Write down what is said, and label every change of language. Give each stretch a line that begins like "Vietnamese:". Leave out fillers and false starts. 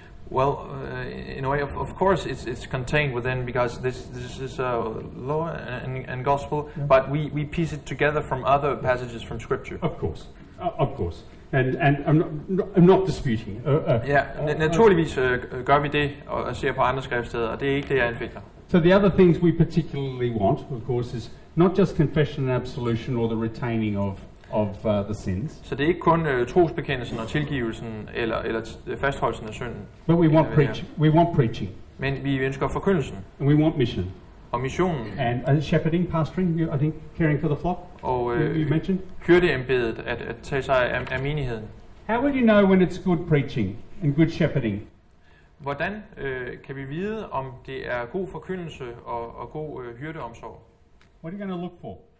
English: Well, in a way, of course, it's contained within because this is a law and gospel. Yeah. But we piece it together from other passages from scripture. Of course, of course, and I'm not disputing.
Danish: Yeah, naturligvis gør vi det og ser på andre skriftsteder, og det ikke det jeg anfægter.
English: So the other things we particularly want, of course, is not just confession and absolution or the retaining of the sins.
Danish: Så det er ikke kun trosbekendelsen og tilgivelsen eller fastholdelsen af synden.
English: But we want preaching. We want preaching.
Danish: Men vi ønsker forkyndelsen.
English: And we want mission.
Danish: Og missionen.
English: And shepherding, pastoring, I think caring for the flock.
Danish: Og
English: you mentioned
Danish: hyrdeembedet at tage sig af menigheden.
English: How will you know when it's good preaching and good shepherding?
Danish: Hvordan kan vi vide om det er god forkyndelse og god hyrdeomsorg?
English: What are you going to look for?